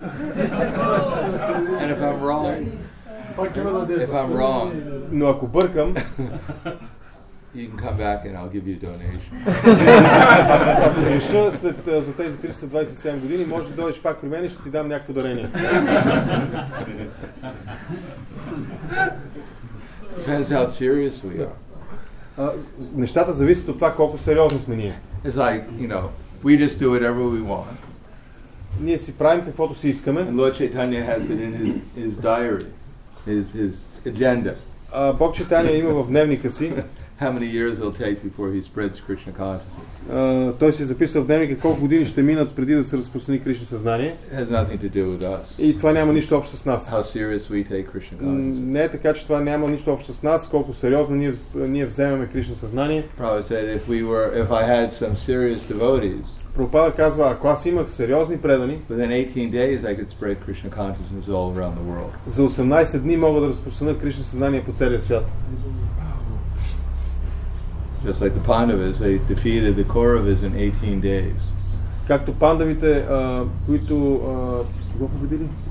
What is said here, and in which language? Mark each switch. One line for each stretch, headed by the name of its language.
English: And if I'm wrong, if I'm wrong,
Bulgarian: но ако бъркам,
English: you can come back and I'll give you a donation.
Bulgarian: Ако греша след за тези 327 години, може да дойдеш пак при мен и ще ти дам някакво дарение.
English: Depends how serious we are.
Bulgarian: Нещата зависят от това колко сериозни сме ние.
English: It's like, you know, we just do whatever we want.
Bulgarian: Ние си правим каквото си искаме.
English: And Lord Chaitanya has it in his diary, his agenda.
Bulgarian: Бог Чайтанья има в дневника си.
English: How many years it'll take before he spreads Krishna consciousness?
Bulgarian: Той си записва в дневника колко години ще минат преди да се разпространи Кришна съзнание.
English: It has nothing to do with us.
Bulgarian: И това няма нищо общо с нас.
English: How serious we take Krishna consciousness?
Bulgarian: Не, така че това няма нищо общо с нас. Колко сериозно ние вземаме Кришна съзнание.
English: Prabhupada said if I had some serious devotees.
Bulgarian: Прабхупада казва, ако аз имах сериозни предани,
English: within 18 days I could spread Krishna consciousness all around the world.
Bulgarian: За 18 дни мога да разпространя Кришна съзнание по целия свят.
English: Just like the Pandavas, they defeated the Kauravas in 18 days.
Bulgarian: Както пандавите, които го победили?